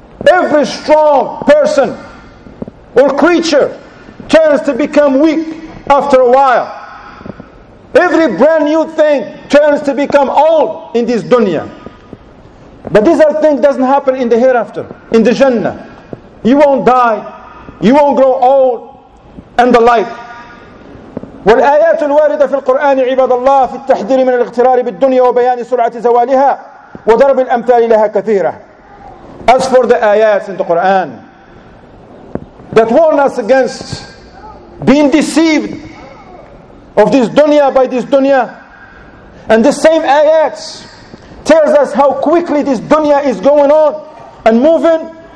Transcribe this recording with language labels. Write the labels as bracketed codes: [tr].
[en] Every strong person or creature turns to become weak after a while. Every brand new thing turns to become old in this dunya. But these are things that doesn't happen in the hereafter, in the Jannah. You won't die. You won't grow old and the like. [ar] والآيات الواردة في القرآن عباد الله في التحذير من الاغترار بالدنيا وبيان سرعة زوالها وضرب الأمثال لها كثيرة. [en] As for the ayats in the Quran that warn us against being deceived of this dunya by this dunya, and the same ayats tells us how quickly this dunya is going on and moving.